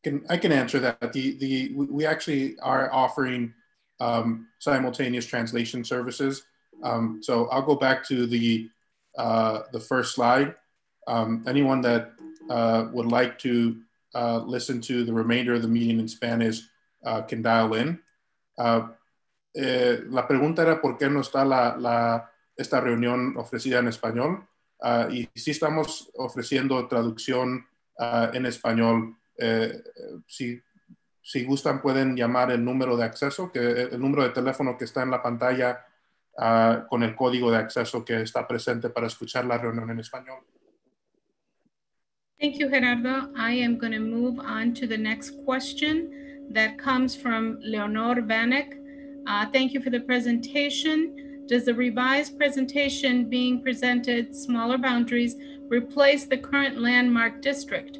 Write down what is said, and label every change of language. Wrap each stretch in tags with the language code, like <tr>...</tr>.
<en>I can answer that. We actually are offering simultaneous translation services. So I'll go back to the first slide. Anyone that would like to listen to the remainder of the meeting in Spanish can dial in.</en> <es>La pregunta era por qué no está esta reunión ofrecida en español. Y si estamos ofreciendo traducción en español, si gustan pueden llamar el número de acceso, que el número de teléfono que está en la pantalla con el código de acceso que está presente para escuchar la reunión en español.</es> <en>Thank you, Gerardo. I am going to move on to the next question that comes from Leonor Vanek. Thank you for the presentation. Does the revised presentation being presented, smaller boundaries, replace the current landmark district?</en>